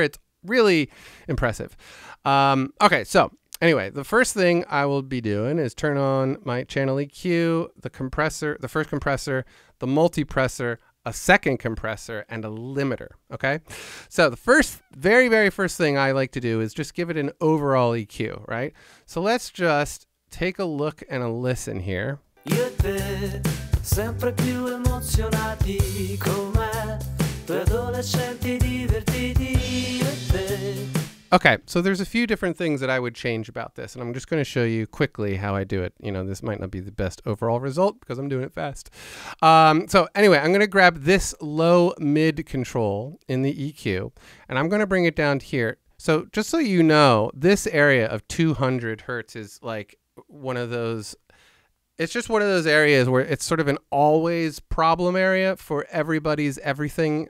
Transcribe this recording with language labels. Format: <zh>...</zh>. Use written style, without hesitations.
<en>It's really impressive. Okay, so anyway, the first thing I will be doing is turn on my channel EQ, the compressor, the first compressor, the multipresser, a second compressor, and a limiter, okay? So the first, very, very first thing I like to do is just give it an overall EQ, right? So let's just take a look and a listen here.</en> <it>Io te, sempre più emozionati com'è, due adolescenti divertiti.</it> <en>Okay, so there's a few different things that I would change about this, and I'm just going to show you quickly how I do it. You know, this might not be the best overall result because I'm doing it fast. So anyway, I'm going to grab this low mid control in the EQ, and I'm going to bring it down here. So just so you know, this area of 200 hertz is like one of those, it's just one of those areas where it's sort of an always problem area for everybody's everything.</en>